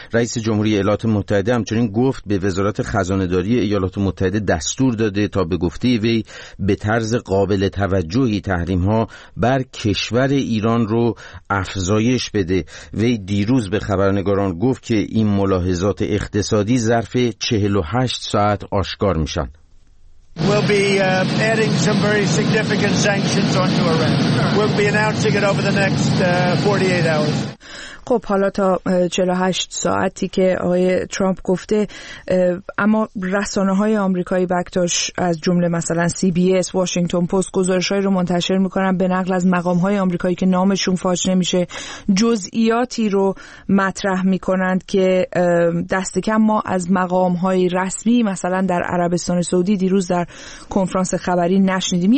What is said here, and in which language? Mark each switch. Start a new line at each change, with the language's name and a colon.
Persian: رئیس جمهوری ایالات متحده همچنین گفت به وزارت خزانه داری ایالات متحده دستور داده تا به گفته وی به طرز قابل توجهی تحریم ها بر کشور ایران رو افزایش بده. وی دیروز به خبرنگاران گفت که این ملاحظات اقتصادی ظرف 48 ساعت آشکار میشن.
English: We'll be adding some very significant sanctions onto Iran. We'll be announcing it over the next 48 hours.
Persian: خب حالا تا 48 ساعتی که آقای ترامپ گفته، اما رسانه‌های آمریکایی بکتاش از جمله مثلا CBS، واشنگتن پست گزارش‌های رو منتشر می‌کنن به نقل از مقام‌های آمریکایی که نامشون فاش نمیشه، جزئیاتی رو مطرح می‌کنند که دست کم ما از مقام‌های رسمی مثلا در عربستان سعودی دیروز در کنفرانس خبری نشنیدیم.